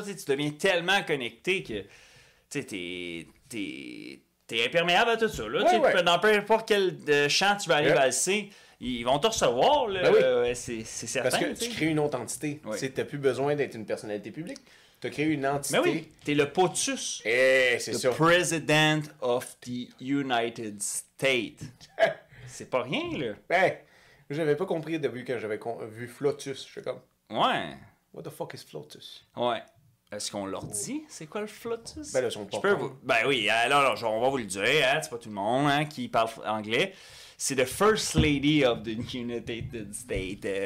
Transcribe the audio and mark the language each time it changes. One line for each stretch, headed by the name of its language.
French: Tu deviens tellement connecté que t'es imperméable à tout ça. Là, dans peu importe quel champ tu vas aller valser, ils vont te recevoir. Là, ben oui. c'est certain. Parce que tu crées une autre entité. Oui. Tu n'as plus besoin d'être une personnalité publique. Tu as créé une entité. Mais oui, tu es le POTUS. Et c'est ça.
English: President of the United States.
French: C'est pas rien, là. Ben, j'avais pas compris au début quand j'avais vu Flotus. Je suis comme. Ouais.
English: What the fuck is Flotus?
French: Ouais. Est-ce qu'on leur dit c'est quoi le flottus? Ben là, ils sont pas. Ben oui, alors on va vous le dire, hein, c'est pas tout le monde hein, qui parle anglais.
English: C'est the First Lady of the United States.